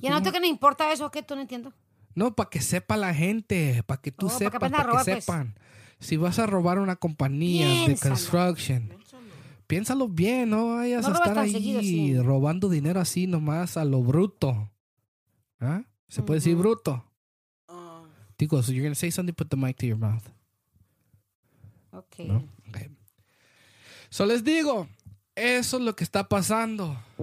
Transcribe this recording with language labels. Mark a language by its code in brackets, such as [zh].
[es] y anoto que no importa eso, ¿qué? Tú no entiendo. No, para que sepa la gente, para que tú sepas, para que, pa que sepan. Pues. Si vas a robar una compañía de construction, piénsalo bien, no vayas a estar ahí robando dinero así nomás a lo bruto. ¿Ah? ¿Se puede decir bruto? [en] Tico, so you're going to say something, put the mic to your mouth. Okay. No? Okay. [es] So les digo, eso es lo que está pasando.